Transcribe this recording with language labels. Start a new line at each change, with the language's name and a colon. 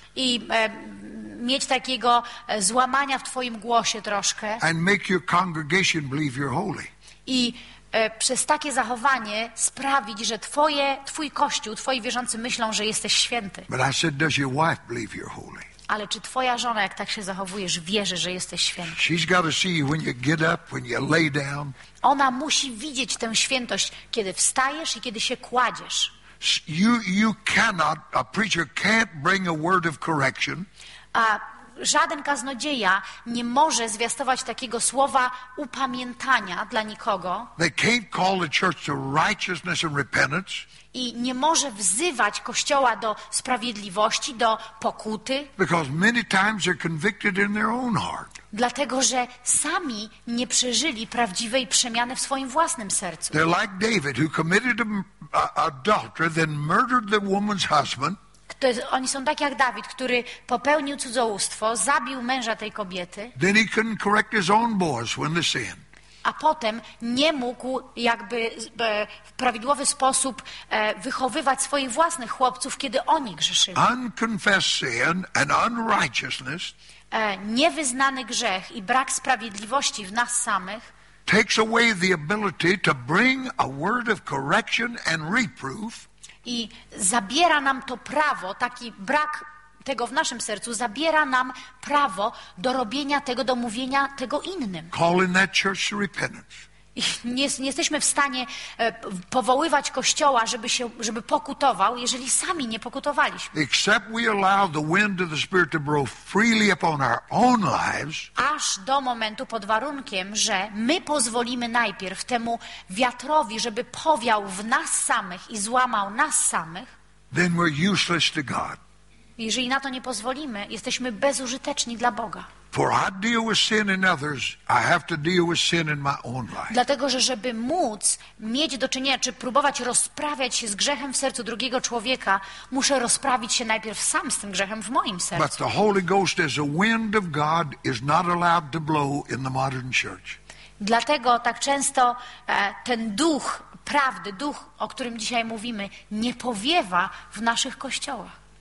Polish: I mieć takiego złamania w twoim głosie troszkę.
English: And make your congregation believe you're holy.
Polish: I przez takie zachowanie sprawić, że twój kościół, twoi wierzący myślą, że jesteś święty.
English: But I said, does your wife believe you're holy?
Polish: Ale czy twoja żona, jak tak się zachowujesz, wierzy, że jesteś święty?
English: She's got to see when you get up, when you lay down.
Polish: Ona musi widzieć tę świętość, kiedy wstajesz i kiedy się kładziesz.
English: You cannot, a preacher can't bring a word of correction.
Polish: A żaden kaznodzieja nie może zwiastować takiego słowa upamiętania dla nikogo.
English: They can't call the church to righteousness and repentance.
Polish: I nie może wzywać Kościoła do sprawiedliwości, do pokuty.
English: Because many times they're convicted in their own heart.
Polish: Dlatego, że sami nie przeżyli prawdziwej przemiany w swoim własnym sercu.
English: They're like David, who committed adultery, then murdered the woman's husband.
Polish: Oni są tak jak Dawid, który popełnił cudzołóstwo, zabił męża tej kobiety.
English: Then he couldn't correct his own boys when they sinned.
Polish: A potem nie mógł jakby w prawidłowy sposób wychowywać swoich własnych chłopców, kiedy oni grzeszyli.
English: Unconfessed sin and unrighteousness.
Polish: Niewyznany grzech i brak sprawiedliwości w nas samych
English: takes away the ability to bring a word of correction and reproof.
Polish: I zabiera nam to prawo, taki brak tego w naszym sercu, zabiera nam prawo do robienia tego, do mówienia tego innym.
English: Calling that church to repentance.
Polish: Nie jesteśmy w stanie powoływać Kościoła, żeby pokutował, jeżeli sami nie pokutowaliśmy.
English: Except we allow the wind of the Spirit to blow freely upon our own lives.
Polish: Aż do momentu, pod warunkiem, że my pozwolimy najpierw temu wiatrowi, żeby powiał w nas samych i złamał nas samych,
English: then we're useless to God.
Polish: Jeżeli na to nie pozwolimy, jesteśmy bezużyteczni dla Boga.
English: For I deal with sin in others, I have to deal with sin in my own life.
Polish: Dlatego, że żeby móc mieć do czynienia, czy próbować rozprawiać się z grzechem w sercu drugiego człowieka, muszę rozprawić się najpierw sam z tym grzechem w moim sercu.
English: But the Holy Ghost as a wind of God is not allowed to blow in the modern church.
Polish: Dlatego tak często ten duch prawdy, duch, o którym dzisiaj mówimy, nie powiewa w naszych kościołach.